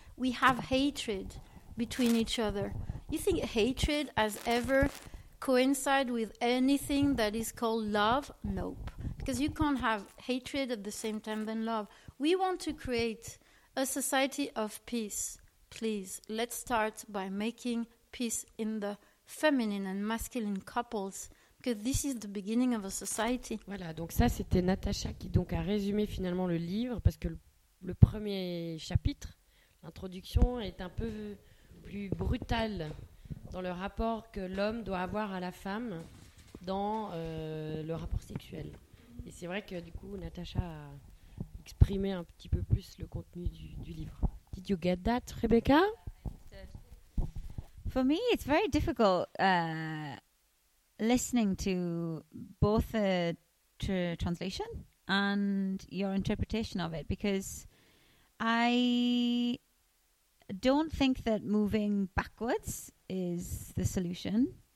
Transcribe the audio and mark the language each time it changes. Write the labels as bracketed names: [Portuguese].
[English] We have hatred between each other. You think hatred has ever coincided with anything that is called love? Nope. Because you can't have hatred at the same time than love. We want to create a society of peace. Please, let's start by making peace in the feminine and masculine couples, because this is the beginning of a society. [French] Voilà, donc ça c'était Natacha qui donc a résumé finalement le livre, parce que le premier chapitre, l'introduction, est un peu plus brutal dans le rapport que l'homme doit avoir à la femme dans le rapport sexuel. Et c'est vrai que du coup Natacha a exprimé un petit peu plus le contenu du livre. [English] Did you get that, Rebecca? For me, it's very difficult listening to both the translation and your interpretation of it, because I don't think that moving backwards is the solution.